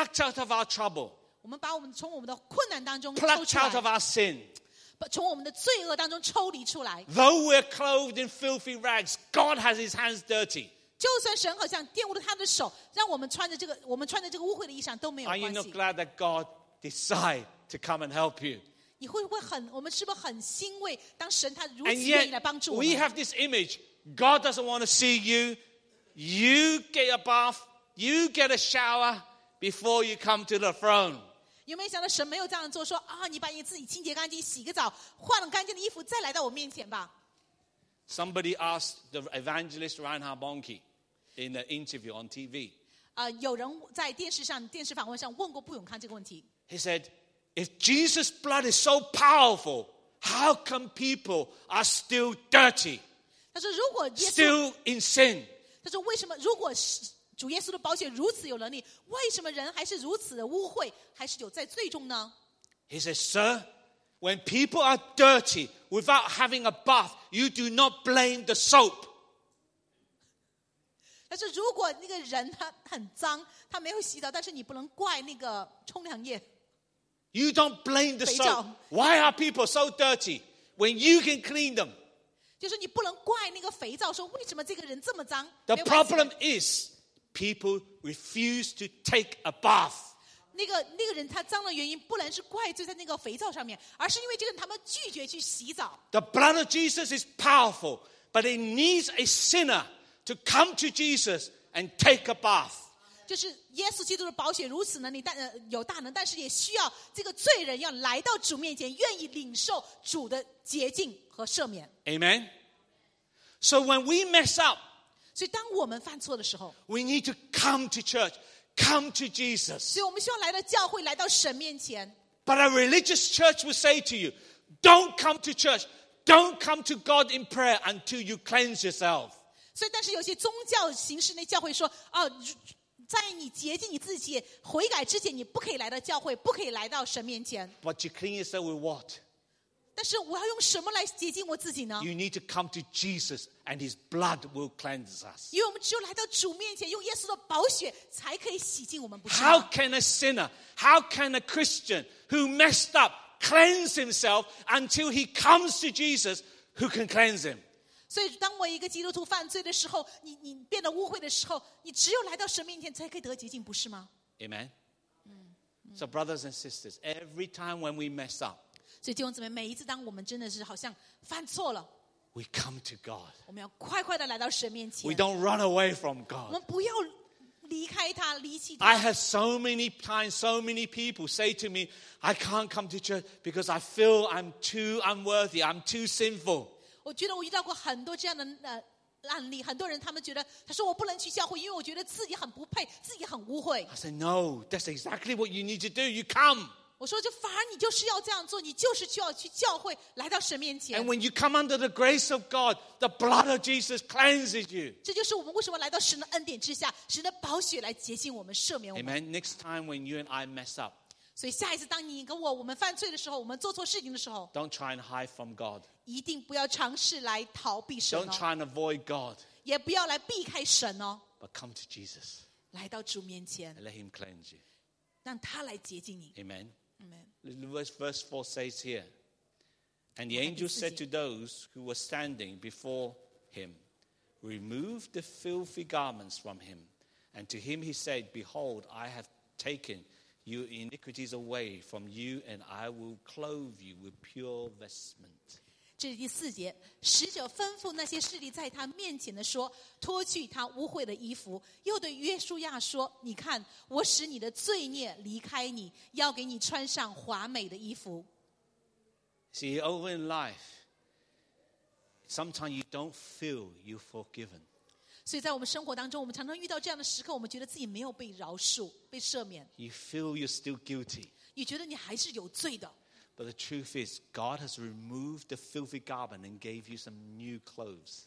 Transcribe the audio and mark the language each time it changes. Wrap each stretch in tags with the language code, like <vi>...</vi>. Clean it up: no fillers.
<en>Plucked out of our trouble.</en> <zh>我们把我们从我们的困难当中抽出来。</zh> <en>Plucked out of our sin.</en> <zh>从我们的罪恶当中抽离出来。</zh> <en>Though we're clothed in filthy rags, God has his hands dirty.</en> <zh>就算神好像玷污了他的手，让我们穿着这个污秽的衣裳都没有关</zh> <en>系。Are you not glad that God decided to come and help you?</en> <zh>你会不会很？我们是不是很欣慰？当神他如此愿意来帮助我们。</zh> <en>And yet, we have this image. God doesn't want to see you. You get a bath. You get a shower before you come to the throne.</en> <zh>有没有想到神没有这样做？说啊，你把你自己清洁干净，洗个澡，换了干净的衣服，再来到我面前吧。</zh> <en>Somebody asked the evangelist Reinhard Bonnke in an interview on TV.</en> <zh>有人在电视上电视访问上问过布永康这个问题。</zh> <en>He said. If Jesus' blood is so powerful, how come people are still dirty?</en> <zh>他说如果耶稣</zh> <en>still in sin.</en> <zh>他说为什么如果主耶稣的宝血如此有能力，为什么人还是如此的污秽，还是有在罪中呢？</zh> <en>He says, Sir, when people are dirty without having a bath, you do not blame the soap.</en> <zh>他说如果那个人他很脏，他没有洗澡，但是你不能怪那个冲凉液。</zh> <en>You don't blame the soap. Why are people so dirty when you can clean them?</en> <zh>就是你不能怪那个肥皂，说为什么这个人这么脏。</zh> <en>The problem is people refuse to take a bath.</en> <zh>那个人他脏的原因不能是怪罪在那个肥皂上面，而是因为这个人他们拒绝去洗澡。</zh> <en>The blood of Jesus is powerful, but it needs a sinner to come to Jesus and take a bath.</en> <zh>就是耶稣基督的宝血如此能力，但有大能，但是也需要这个罪人要来到主面前，愿意领受主的洁净和赦免。</zh> <en>Amen. So when we mess up,</en> <zh>所以当我们犯错的时候</zh> <en>，we need to come to church, come to Jesus.</en> <zh>所以我们需要来到教会，来到神面前。</zh> <en>But a religious church will say to you, "Don't come to church, don't come to God in prayer until you cleanse yourself."</en> <zh>所以，但是有些宗教形式内教会说，哦。在你洁净你自己悔改之前，你不可以来到教会，不可以来到神面前。</zh> <en>But you clean yourself with what?</en> <zh>但是我要用什么来洁净我自己呢？</zh> <en>You need to come to Jesus and his blood will cleanse us.</en> <zh>因为我们只有来到主面前，用耶稣的宝血才可以洗净我们，不是吗？</zh> <en>How can a sinner, how can a Christian who messed up cleanse himself until he comes to Jesus who can cleanse him?</en> <zh>所以当我一个基督徒犯罪的时候 你变得污秽的时候，你只有来到神面前才可以得洁净，不是吗？</zh> <en>Amen. So brothers and sisters, every time when we mess up,</en> <zh>所以弟兄姊妹，每一次当我们真的是好像犯错了，</zh> <en>we come to God.</en> <zh>我们要快快地来到神面前。</zh> <en>We don't run away from God.</en> <zh>我们不要离开他，离弃他。</zh> <en>I have so many times, so many people say to me, I can't come to church because I feel I'm too unworthy, I'm too sinful.</en> <zh>我觉得我遇到过很多这样的案例，很多人他们觉得，他说我不能去教会，因为我觉得自己很不配，自己很污秽。</zh> <en>I said no, that's exactly what you need to do. You come.</en> <zh>我说就反而你就是要这样做，你就是需要去教会，来到神面前。</zh> <en>And when you come under the grace of God, the blood of Jesus cleanses you.</en> <zh>这就是我们为什么来到神的恩典之下，神的宝血来洁净我们，赦免我们。</zh> <en>Amen. Next time when you and I mess up.</en> <zh>所以下一次当你跟我们犯罪的时候，我们做错事情的时候</zh> <en>，Don't try and hide from God.</en> <zh>一定不要尝试来逃避神哦。</zh> <en>Don't try and avoid God.</en> <zh>也不要来避开神哦。</zh> <en>But come to Jesus.</en> <zh>来到主面前。</zh> <en>Let Him cleanse you.</en> <zh>让他来洁净你。</zh> <en>Amen. Amen. Verse 4 says here, and the angel said to those who were standing before him, "Remove the filthy garments from him." And to him he said, "Behold, I have taken." Your iniquities away from you, and I will clothe you with pure vestment.</en> <zh>这是第四节，使者吩咐那些势力在他面前的说，脱去他污秽的衣服，又对约书亚说，你看，我使你的罪孽离开你，要给你穿上华美的衣服。</zh> <en>See, over in life, sometimes you don't feel you're forgiven.</en> <zh>所以在我们生活当中，我们常常遇到这样的时刻，我们觉得自己没有被饶恕。被赦免</zh> <en>you feel you're still guilty.</en> <zh>你觉得你还是有罪的。</zh> <en>But the truth is, God has removed the filthy garment and gave you some new clothes.</en>